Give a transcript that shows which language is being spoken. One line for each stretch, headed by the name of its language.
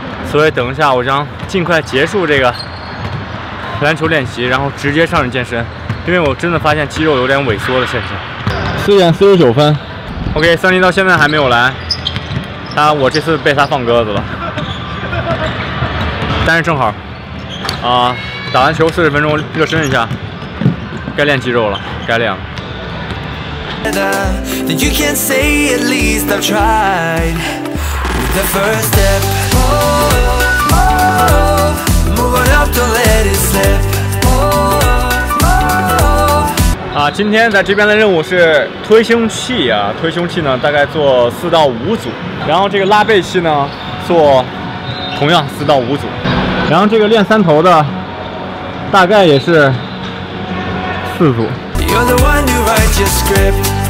Chinese: 所以等一下我将尽快结束这个篮球练习，然后直接上去健身，因为我真的发现肌肉有点萎缩的现象。 4:49 OK， 三林到现在还没有来，我这次被他放鸽子了，但是正好打完球40分钟热身一下，该练肌肉了，该练了。
English: Then you can say at least I've tried with the first step. Oh, oh, oh, move on up, don't let it slip. Oh, oh, oh.
Chinese: 今天在这边的任务是推胸器啊，推胸器呢大概做4到5组，然后这个拉背器呢做同样4到5组，然后这个练三头的大概也是4组。
English: You're the one who writes your script.